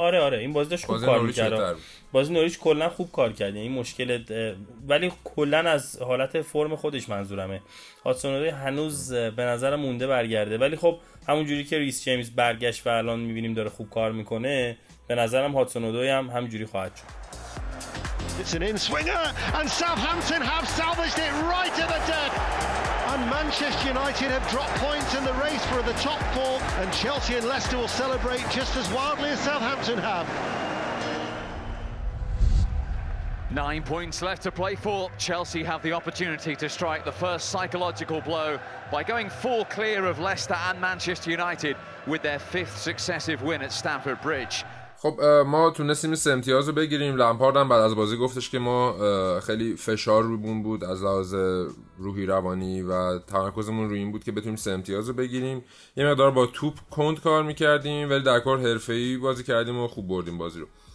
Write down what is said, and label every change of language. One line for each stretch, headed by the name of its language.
Persian: آره این بازی داشت خوب کار می‌کرد، بازی نوریچ کلا خوب کار کرد، یعنی مشکل ولی کلا از حالت فرم خودش منظورمه. هاتسون‌اودوی هنوز به نظر مونده برگرده، ولی خب همون جوری که ریس جیمز برگشت و الان می‌بینیم داره خوب کار می‌کنه، به نظرم هاتسون‌اودوی هم همینجوری خواهد شد.
English: It's an in-swinger, and Southampton have salvaged it right to the death. And Manchester United have dropped points in the race for the top four, and Chelsea and Leicester will celebrate just as wildly as Southampton have. 9 points left to play for. Chelsea have the opportunity to strike the first psychological blow by going 4 clear of Leicester and Manchester United with their 5th successive win at Stamford Bridge.
Persian: خب ما تونستیم سه امتیاز رو بگیریم. لمپارد هم بعد از بازی گفتش که ما خیلی فشار رومون بود از لحاظ روحی روانی و تمرکزمون روی این بود که بتونیم سه امتیاز رو بگیریم. یه مقدار با توپ کند کار میکردیم ولی در کار حرفه‌ای بازی کردیم و خوب بردیم بازی رو.